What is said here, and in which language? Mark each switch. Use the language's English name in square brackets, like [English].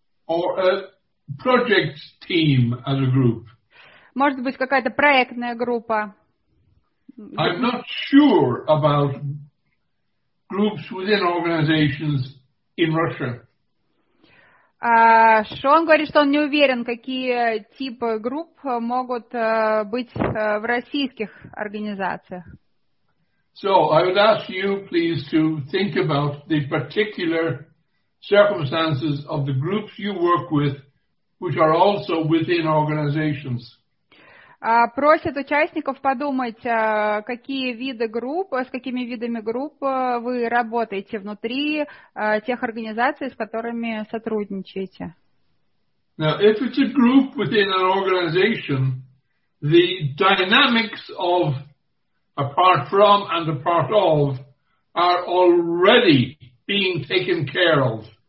[English] Or a project team as a group. [Russian] Может быть, какая-то проектная группа. [English] I'm not sure about groups within organizations in Russia. [Russian] Шон говорит, что он не уверен, какие типы групп могут быть в российских организациях. [English] So, I would ask you, please, to think about the particular circumstances of the groups you work with, which are also within organizations. [Russian] Просят участников подумать, какие виды групп, с какими видами групп вы работаете внутри тех организаций, с которыми сотрудничаете. [English] Now, if it's a group within an organization, the dynamics of apart from and apart of are already being taken care of.